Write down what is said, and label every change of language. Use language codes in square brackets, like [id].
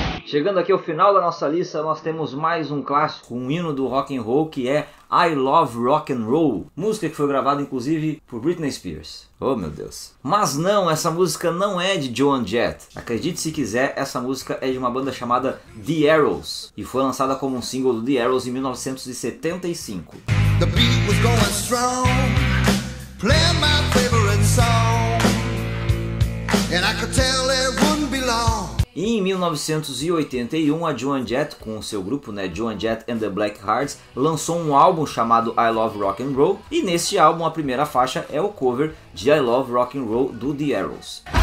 [pt] Chegando aqui ao final da nossa lista, nós temos mais um clássico, um hino do rock and roll, que é I Love Rock and Roll, música que foi gravada inclusive por Britney Spears. Oh, meu Deus. Mas não, essa música não é de Joan Jett. Acredite se quiser, essa música é de uma banda chamada The Arrows, e foi lançada como um single do The Arrows em 1975. [en] The beat was going strong, playing my favorite song, and I could tell it wouldn't be long. [pt] E em 1981, a Joan Jett, com o seu grupo, né, Joan Jett and the Black Hearts, lançou um álbum chamado I Love Rock and Roll. E neste álbum, a primeira faixa é o cover de I Love Rock and Roll do The Arrows.